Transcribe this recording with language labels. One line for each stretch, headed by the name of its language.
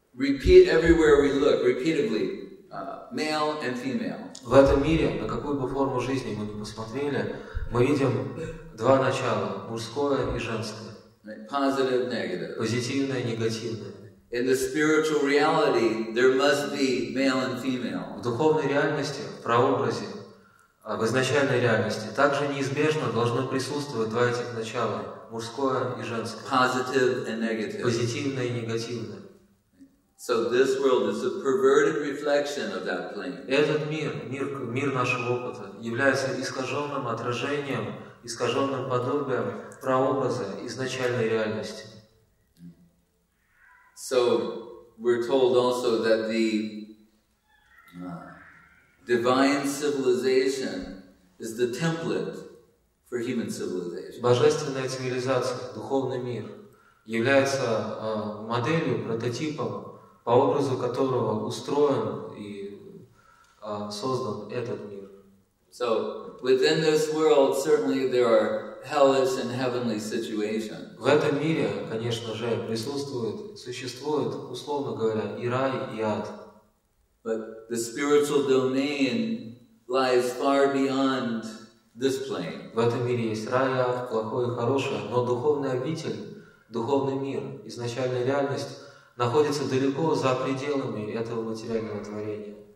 English: Repeat everywhere we look, repeatedly, male and female.
Russian: В этом мире, на какую бы форму жизни мы ни посмотрели, мы видим два начала, мужское и женское.
English: Positive, negative.
Russian: Позитивное, негативное.
English: In the spiritual reality, there must be male and female.
Russian: В духовной реальности, в прообразе, в изначальной реальности, также неизбежно должно присутствовать два этих начала, мужское и женское.
English: Positive and negative.
Russian: Позитивное и негативное.
English: So this world is a perverted reflection of that plane.
Russian: Этот мир нашего опыта является искаженным отражением, искаженным подобием прообраза изначальной реальности.
English: So we're told also that the divine civilization is the template for human civilization.
Russian: Божественная цивилизация, духовный мир, является моделью, прототипом, по образу которого устроен и создан этот мир.
English: So within this world certainly there are hellish and heavenly situations.
Russian: В этом мире, конечно же, существует, условно говоря, и рай, и ад.
English: But the spiritual domain lies far beyond this plane.
Russian: В этом мире есть рай, ад, плохое и хорошее, но духовный обитель, духовный мир, изначальная реальность находится далеко за пределами этого материального творения.